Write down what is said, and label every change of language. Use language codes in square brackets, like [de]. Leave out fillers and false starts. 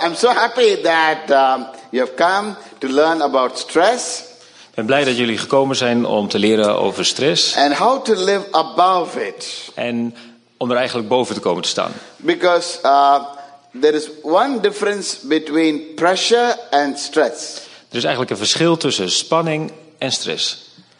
[en] I'm so happy that you have come to learn about stress. [nl] Ik ben blij dat jullie gekomen zijn om te leren over stress. [en] And how to live above it. [nl] En om er eigenlijk boven te komen te staan. [en] Because there is one difference between pressure and stress. [nl] Er is eigenlijk een verschil tussen spanning en stress.